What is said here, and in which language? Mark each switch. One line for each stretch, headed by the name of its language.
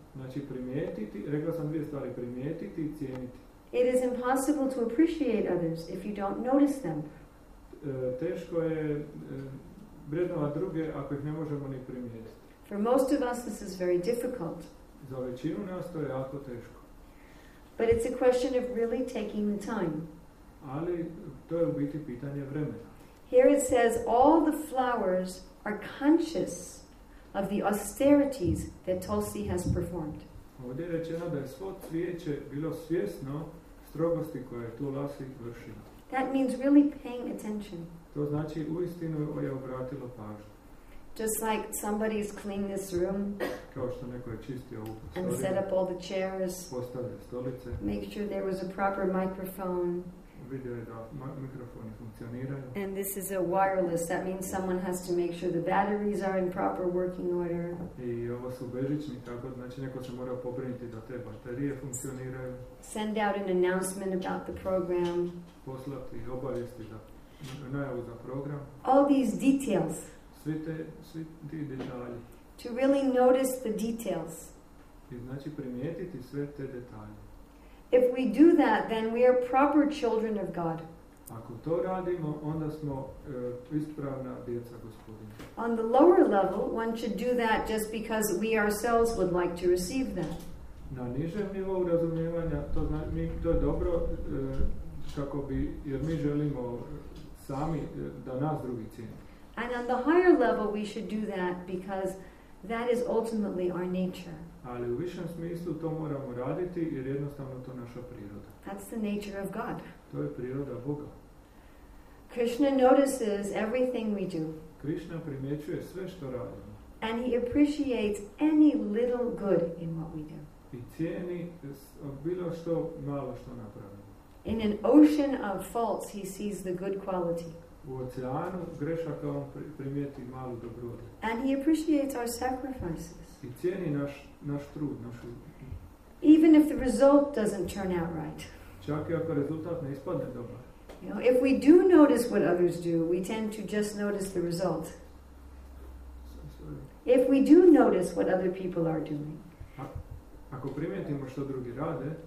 Croatian: Znači primijetiti, rekao sam dvije stvari, primijetiti i cijeniti.
English: It is impossible to appreciate others if you don't notice them.
Croatian: Teško je vrednovati druge ako ih ne možemo ni primijetiti.
English: For most of us this is very difficult.
Croatian: Za većinu nas to je jako teško.
English: But it's a question of really taking the time.
Croatian: Ali to je u biti pitanje vremena.
English: Here it says all the flowers are conscious of the austerities that Tulsi has performed.
Croatian: Ovdje je rečeno da je svo cvijeće bilo svjesno strogosti koje je Tulsi vršila.
English: That means really paying attention.
Croatian: To znači uistinu je obratilo pažnju.
English: Just like somebody's cleaned this room.
Croatian: Kao što neko je čistio ovu prostoriju.
English: And set up all the chairs.
Croatian: Postavio stolice.
English: Make sure there was a proper microphone.
Croatian: Vidio je da mikrofoni funkcioniraju.
English: And this is a wireless. That means someone has to make sure the batteries are in proper working order.
Croatian: I ovo su bežični, tako znači neko se mora pobrinuti da te baterije funkcioniraju.
English: Send out an announcement about the program.
Croatian: Poslati obavijesti da najavu za program.
English: All these details.
Croatian: Svi ti detalji.
English: To really notice the details.
Croatian: I znači primijetiti sve te detalje.
English: If we do that, then we are proper children of God.
Croatian: Ako to radimo, onda smo ispravna djeca gospodina.
English: On the lower level, one should do that just because we ourselves would like to receive that.
Croatian: Na nižem nivou razumijevanja, to znači, to je dobro kako bi, jer mi želimo sami da nas drugi cijene.
English: And on the higher level, we should do that because that is ultimately our nature.
Croatian: Ali u višem smislu to moramo raditi jer jednostavno to naša priroda.
English: That's the nature of God.
Croatian: To je priroda Boga.
English: Krishna notices everything we do.
Croatian: Krishna primjećuje sve što radimo.
English: And he appreciates any little good in what we do.
Croatian: I cijeni bilo što malo što napravimo.
English: In an ocean of faults he sees the good quality.
Croatian: u oceanu grešaka on primijeti malu dobrotu.
English: And he appreciates our sacrifices.
Croatian: I cijeni naš trud, našu.
English: Even if the result doesn't turn out right.
Croatian: Čak i ako rezultat ne ispadne dobro.
English: You know, if we do notice what others do, we tend to just notice the result. If we do notice what other people are doing,
Croatian: ako primijetimo što drugi rade,